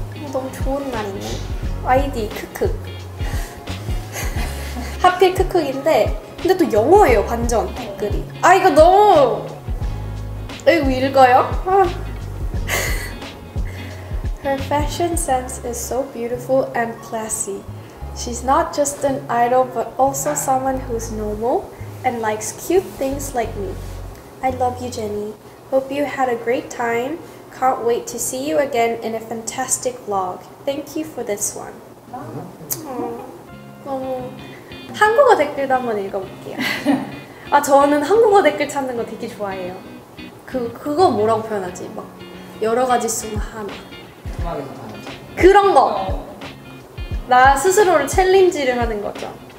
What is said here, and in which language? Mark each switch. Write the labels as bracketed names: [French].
[Korean] 너무 좋은 날이네. 아이디 크크. 하필 크크인데 근데 또 영어예요. 반전 댓글이. 아 이거 너무 이거 읽어요? 아. [English] Her fashion sense is so beautiful and classy. She's not just an idol but also someone who's normal and likes cute things like me. I love you, Jenny. Hope you had a great time. Can't wait to see you again in a fantastic vlog. Thank you for this one. [Korean] 너무 한국어 댓글도 한번 읽어볼게요. 아, 저는 한국어 댓글 찾는 거 되게 좋아해요. 그거 뭐라고 표현하지? 막 여러 가지 수 하나. 그런 거. 나 스스로를 챌린지를 하는 거죠.